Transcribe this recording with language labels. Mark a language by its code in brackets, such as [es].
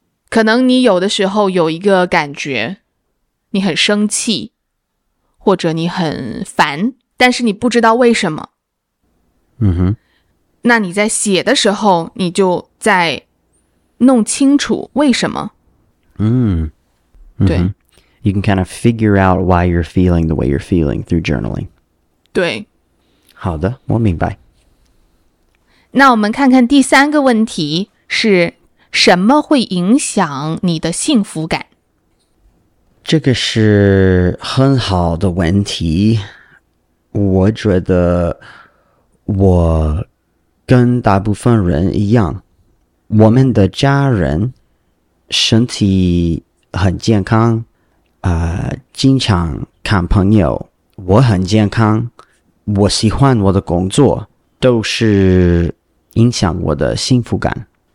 [zh] 可能你有的时候有一个感觉，你很生气，或者你很烦，但是你不知道为什么。嗯哼。那你在写的时候，你就在弄清楚为什么。嗯，对， [en] you can kind of figure out why you're feeling the way you're feeling through journaling. [zh] 对。好的，我明白。那我们看看第三个问题是什么会影响你的幸福感？这个是很好的问题。我觉得我跟大部分人一样，我们的家人身体很健康，经常看朋友，我很健康，我喜欢我的工作，都是影响我的幸福感。